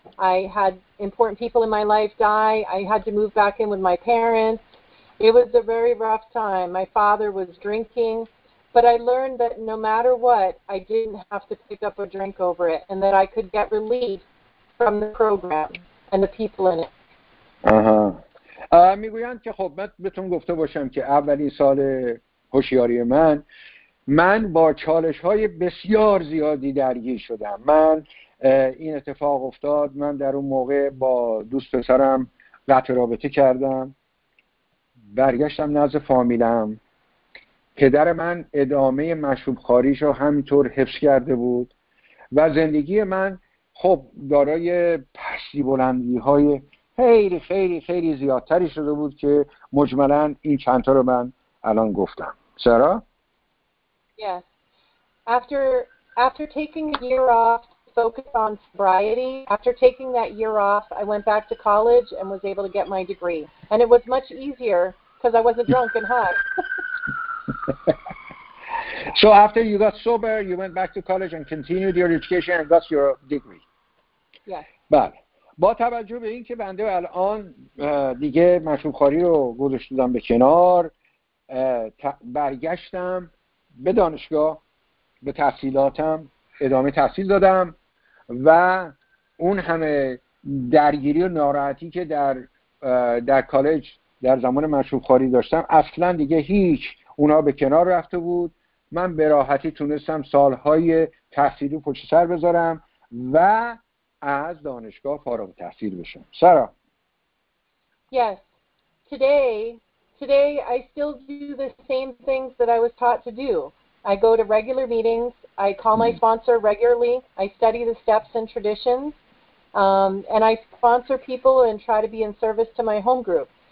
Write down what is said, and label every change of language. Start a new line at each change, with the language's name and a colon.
English: I had important people in my life die. I had to move back in with my parents. It was a very rough time. My father was drinking. But I learned that no matter what, I didn't have to pick up a drink over it, and that I could get relief from the program and the people in it.
Persian: میگویند که خب من بهتون گفته باشم که اولین سال هوشیاری من با چالش‌های بسیار زیادی درگیر شدم. من این اتفاق افتاد. من در اون موقع با دوست پسرم قطع رابطه کردم. برگشتم نزد فامیلم. پدر من ادامه مشروب خاریش رو همینطور حفظ کرده بود و زندگی من خب دارای پستی بلندی های خیلی خیلی خیلی زیادتری شده بود که مجملا این چند تا رو من الان گفتم. سارا؟
English: Yes. After taking a year off focused on sobriety, after taking that year off, I went back to college and was able to get my degree. And it was much easier because I wasn't drunk and high. So after you got sober, you went back to college and continued your education and got your degree. Yes.
Persian: بله. با توجه به این که بنده الان دیگه مشروب خاری رو گذاشتم به کنار، برگشتم به دانشگاه، به تحصیلاتم ادامه تحصیل دادم و اون همه درگیری و ناراحتی که در کالج در زمان مشروب خاری داشتم اصلا دیگه هیچ اونا به کنار رفته بود. من به راحتی تونستم سالهای تحصیلی پشت سر بذارم و از دانشگاه فارغ التحصیل بشم. سارا.
English: Yes. Today I still do the same things that I was taught to do. I go to regular meetings, I call my sponsor regularly, I study the steps and traditions, and I sponsor people and try to be in service to my home group.